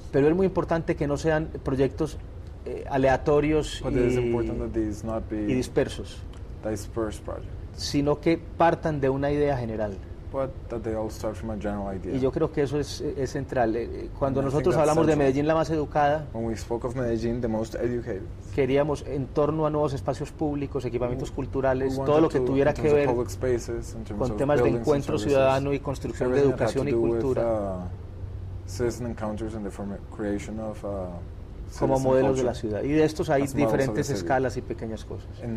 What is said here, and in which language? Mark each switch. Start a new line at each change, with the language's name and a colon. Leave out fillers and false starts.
Spanish: Pero es muy importante que no sean proyectos aleatorios y dispersos,
English: dispersed projects,
Spanish: sino que partan de una idea general.
English: But that they all start from a general idea.
Spanish: Y yo creo que eso es central. Cuando nosotros hablamos de Medellín la más educada,
English: when we spoke of Medellín, the most educated,
Spanish: queríamos en torno a nuevos espacios públicos, equipamientos culturales, todo lo que tuviera que ver con temas de encuentro ciudadano y construcción de educación y cultura,
English: citizen encounters and the creation of
Spanish: como modelos de la ciudad. Y de estos hay diferentes escalas y pequeñas cosas.